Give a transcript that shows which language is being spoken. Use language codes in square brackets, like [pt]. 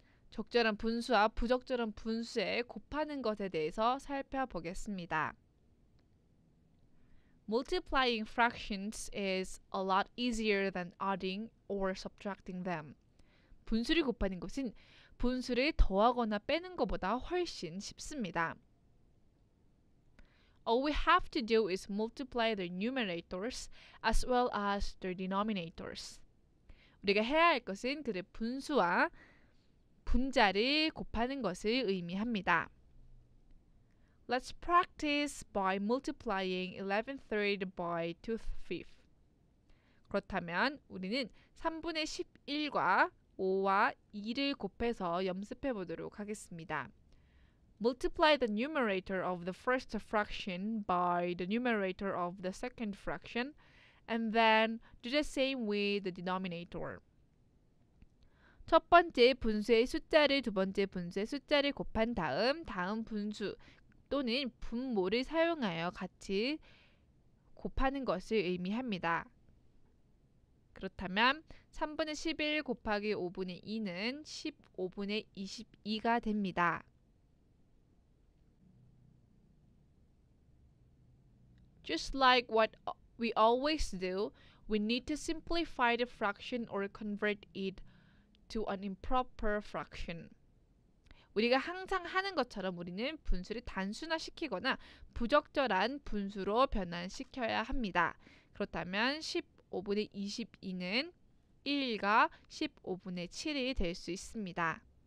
[ko] 적절한 분수와 부적절한 분수에 곱하는 것에 대해서 살펴보겠습니다. [en] Multiplying fractions is a lot easier than adding or subtracting them. [ko] 분수를 곱하는 것은 분수를 더하거나 빼는 것보다 훨씬 쉽습니다. [en] All we have to do is multiply the numerators as well as the denominators. [ko] 우리가 해야 할 것은 그들의 분수와 분자를 곱하는 것을 의미합니다. [en] Let's practice by multiplying 11/3 by 2/5. [ko] 그렇다면 우리는 3분의 11과 5와 2를 곱해서 연습해 보도록 하겠습니다. [en] Multiply the numerator of the first fraction by the numerator of the second fraction and then do the same with the denominator. [ko] 첫 번째 분수의 숫자를 두 번째 분수의 숫자를 곱한 다음 다음 분수 또는 분모를 사용하여 같이 곱하는 것을 의미합니다. 그렇다면 3분의 11 곱하기 5분의 2는 15분의 22가 됩니다. [en] Just like what we always do, we need to simplify the fraction or convert it to an improper fraction. [ko] 우리가 항상 하는 것처럼 우리는 분수를 단순화시키거나 부적절한 분수로 변환시켜야 합니다. 그렇다면 15분의 22는 1과 15분의 7이 될 수 있습니다.